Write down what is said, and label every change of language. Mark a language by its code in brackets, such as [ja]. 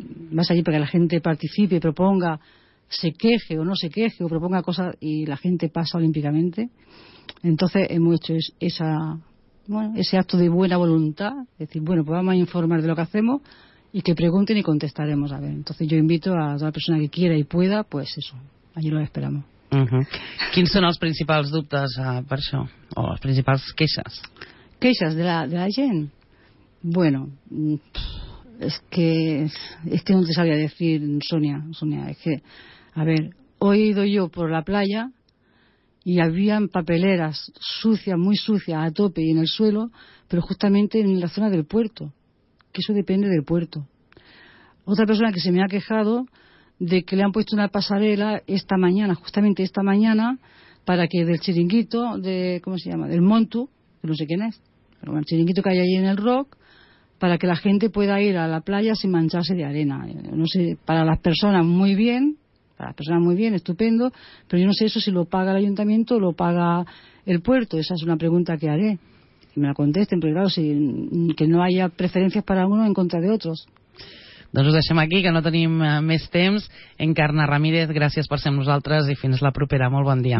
[es] Vas allí para que la gente participe, proponga, se queje o no se queje, o proponga cosas, y la gente pasa olímpicamente. Entonces hemos hecho ese acto de buena voluntad, es decir, bueno, pues vamos a informar de lo que hacemos, y que pregunten y contestaremos, a ver. Entonces yo invito a toda persona que quiera y pueda, pues eso, allí lo esperamos. [ca] ¿Quins són els principals dubtes per això, o les principals queixes? [es] ¿Queixas de la gente? Bueno, es que no te sabía decir, Sonia, es que, a ver, hoy he ido yo por la playa y habían papeleras sucias, muy sucias, a tope y en el suelo, pero justamente en la zona del puerto, que eso depende del puerto. Otra persona que se me ha quejado de que le han puesto una pasarela esta mañana, justamente esta mañana, para que del chiringuito, de ¿cómo se llama?, del Montu, que no sé quién es, pero bueno, el chiringuito que hay ahí en el Rock, para que la gente pueda ir a la playa sin mancharse de arena. No sé, para las personas muy bien, estupendo, pero yo no sé eso si lo paga el ayuntamiento o lo paga el puerto. Esa es una pregunta que haré. me la contesten, pero claro, si, que no haya preferencias para uno en contra de otros. [ca] Doncs ho deixem aquí, que no tenim més temps. Encarna Ramírez, gràcies per ser amb nosaltres i fins la propera. Molt bon dia.